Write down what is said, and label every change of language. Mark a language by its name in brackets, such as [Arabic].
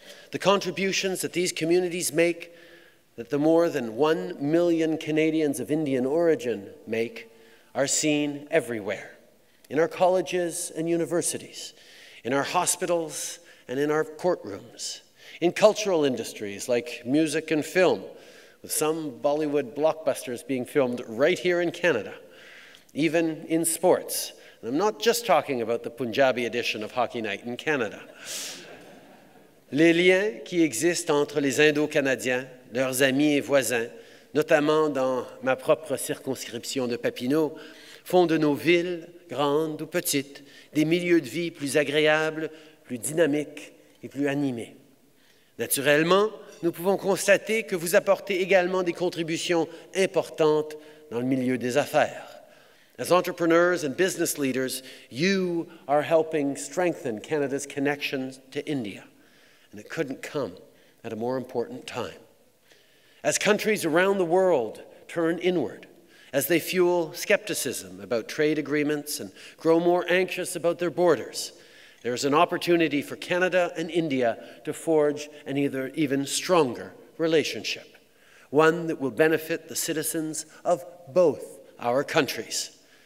[English] The contributions that these communities make, that the more than 1 million Canadians of Indian origin make, are seen everywhere, in our colleges and universities, in our hospitals and in our courtrooms, in cultural industries like music and film, with some Bollywood blockbusters being filmed right here in Canada, even in sports. And I'm not just talking about the Punjabi edition of Hockey Night in Canada. [French] Les liens qui existent entre les Indo-Canadiens, leurs amis et voisins, notamment dans ma propre circonscription de Papineau, font de nos villes, grandes ou petites, des milieux de vie plus agréables, plus dynamiques et plus animés. Naturellement, nous pouvons constater que vous apportez également des contributions importantes dans le milieu des affaires. [English] As entrepreneurs and business leaders, you are helping strengthen Canada's connections to India, and it couldn't come at a more important time. As countries around the world turn inward, as they fuel skepticism about trade agreements and grow more anxious about their borders, there is an opportunity for Canada and India to forge an even stronger relationship, one that will benefit the citizens of both our countries.